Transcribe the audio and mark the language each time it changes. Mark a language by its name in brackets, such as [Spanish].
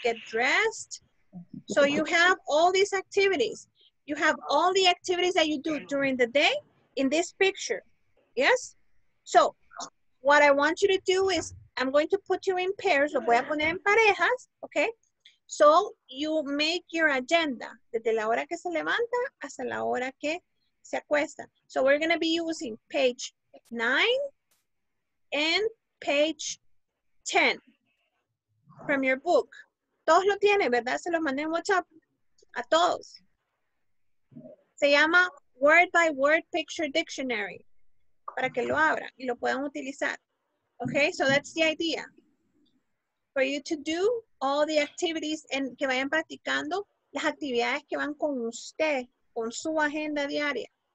[English] Get dressed. So you have all these activities. You have all the activities that you do during the day in this picture. Yes? So what I want you to do is I'm going to put you in pairs. [Spanish] Lo voy a poner en parejas. [English] Okay? So you make your agenda. [Spanish] Desde la hora que se levanta hasta la hora que se acuesta. [English] So we're going to be using page 9 and page 10 from your book. [Spanish] Todos lo tienen, ¿verdad? Se los mandé en WhatsApp a todos. Se llama Word by Word Picture Dictionary para que lo abran y lo puedan utilizar. [English] Okay, so that's the idea. For you to do all the activities and [Spanish] que vayan practicando las actividades que van con usted, con su agenda diaria.